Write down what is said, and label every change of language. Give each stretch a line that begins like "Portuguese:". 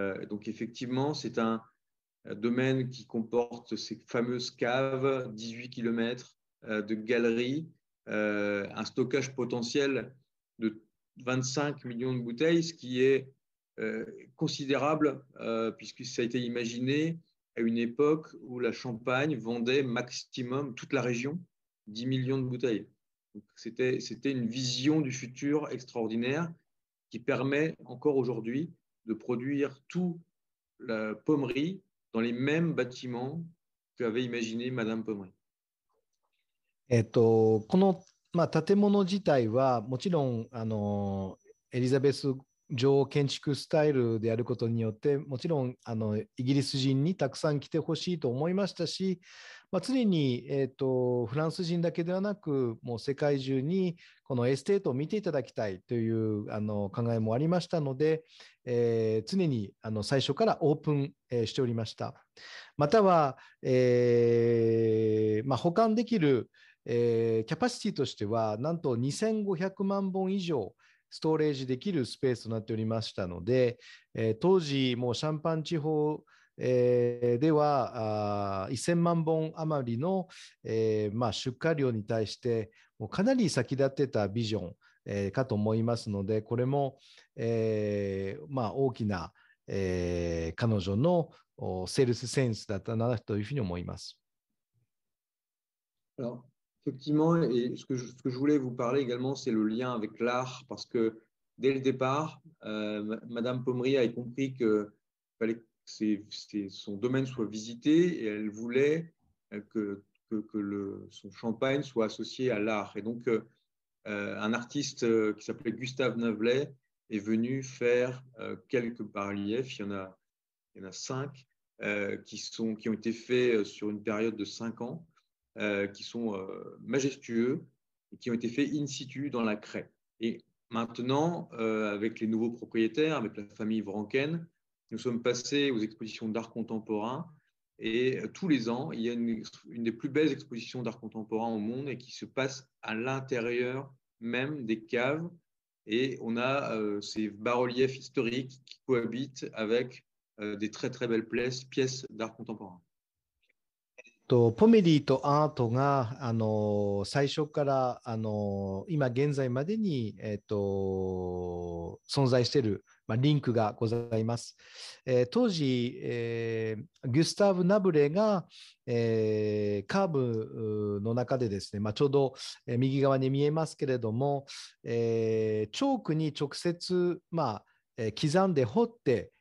French: Donc effectivement, c'est un domaine qui comporte ces fameuses caves, 18 km de galeries, un stockage potentiel de 25 millions de bouteilles, ce qui est considérable puisque ça a été imaginé à une époque où la Champagne vendait maximum toute la région 10 millions de bouteilles. Donc, c'était une vision du futur extraordinaire. Qui permet encore aujourd'hui de produire tout la Pommery dans les mêmes bâtiments qu'avait imaginé Madame Pommery.
Japanese: この、建物自体はもちろんエリザベス女王建築スタイルであることによってもちろんイギリス人にたくさん来てほしいと思いましたし、常に、フランス人だけではなくもう世界中にこのエステートを見ていただきたいという考えもありましたので、常に最初からオープン、しておりました。または、保管できる、キャパシティとしてはなんと2500万本以上ストレージできるスペースとなっておりましたので、当時もうシャンパン地方、では1000万本余りの、出荷量に対してもうかなり先立ってたビジョン、かと思いますので、これも、大きな、彼女のセールスセンスだったなというふうに思います。
French: ああ、effectivement, et ce que je voulais vous parler également, c'est le lien avec l'art, parce que dès le départ, Madame Pommery a compris qu'il fallait que son domaine soit visité, et elle voulait que son champagne soit associé à l'art. Et donc, un artiste qui s'appelait Gustave Navlet est venu faire quelques bas-reliefs, il y en a cinq, qui ont été faits sur une période de 5 ans, qui sont majestueux et qui ont été faits in situ dans la craie. Et maintenant, avec les nouveaux propriétaires, avec la famille Vranken, nous sommes passés aux expositions d'art contemporain. Et tous les ans, il y a une des plus belles expositions d'art contemporain au monde et qui se passe à l'intérieur même des caves. Et on a ces bas-reliefs historiques qui cohabitent avec des très très belles pièces d'art contemporain.
Japanese: ポメリーとアートが最初から今現在までに、存在している、リンクがございます。当時、ギュスターブ・ナブレが、カーブの中でですね、ちょうど右側に見えますけれども、チョークに直接、刻んで彫って